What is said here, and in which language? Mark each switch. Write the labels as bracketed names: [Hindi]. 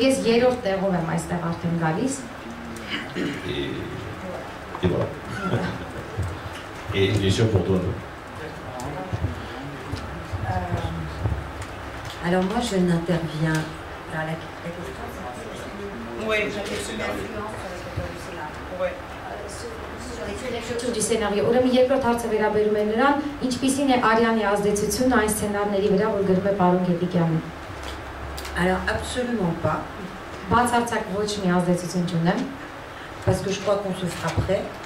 [French] voilà. Et bien sûr pour toi. Alors moi je n'interviens dans la question. Oui, j'avais une influence sur le scénario. Ou même [Armenian] երկրորդ հարցը վերաբերում է նրան, ինչպիսին է Արիանի ազդեցությունը այս սցենարների վրա, որ գրում է Պարոն Գետիկյանը. [French] Alors, absolument pas. Parce que je crois qu'on se frapperait.